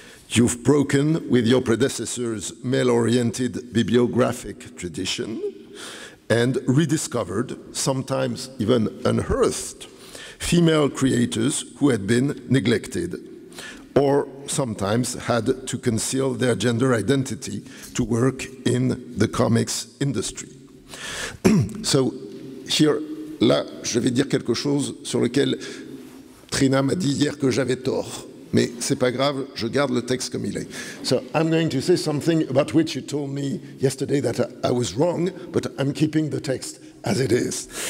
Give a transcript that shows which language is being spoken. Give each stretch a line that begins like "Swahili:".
English: You've broken with your predecessor's male-oriented bibliographic tradition and rediscovered, sometimes even unearthed, female creators who had been neglected or sometimes had to conceal their gender identity to work in the comics industry. So here,
French: là, je vais dire quelque chose sur lequel Trina m'a dit hier que j'avais tort. Mais c'est pas grave, je garde le texte comme il est.
English: So I'm going to say something about which you told me yesterday that I was wrong, but I'm keeping the text as it is.